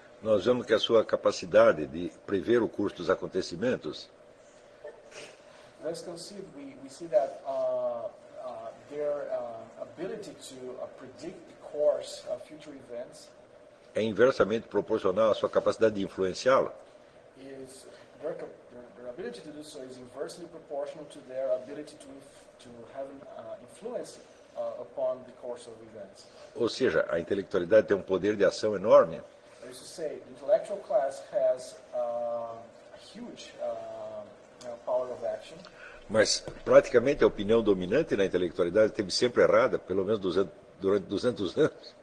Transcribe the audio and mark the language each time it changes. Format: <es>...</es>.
<pt>nós vemos que a sua capacidade de prever o curso dos acontecimentos,</pt> <en>let's concede, we see that their ability to predict the course of future events</en> <pt>é inversamente proporcional à sua capacidade de influenciá-lo.</pt> <en>Is their ability to do so is inversely proportional to their ability to have influence upon the course of events.</en> <pt>Ou seja, a intelectualidade tem um poder de ação enorme.</pt> <en>I used to say, the intellectual class has a huge power of action.</en> <pt>Mas praticamente a opinião dominante na intelectualidade teve sempre errada, pelo menos 200, durante 200 anos.</pt>